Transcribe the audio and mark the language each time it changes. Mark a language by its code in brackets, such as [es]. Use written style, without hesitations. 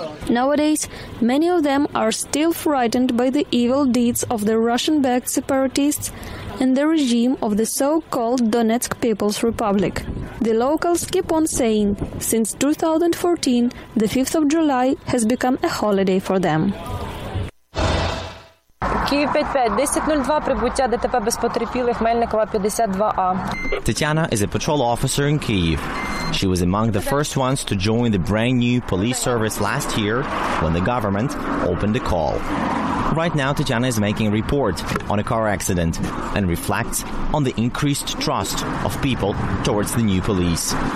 [en] Nowadays, many of them are still frightened by the evil deeds of the Russian-backed separatists and the regime of the so-called Donetsk People's Republic. The locals keep on saying, since 2014, the 5th of July has become a holiday for them. [uk] Kyiv 55, 1002, прибуття ДТП без потерпілих, Мельникова 52А. [en] Tetyana is a patrol officer in Kyiv. She was among the first ones to join the brand new police service last year when the government opened the call. Right now, Tatiana is making a report on a car accident and reflects on the increased trust of people towards the new police.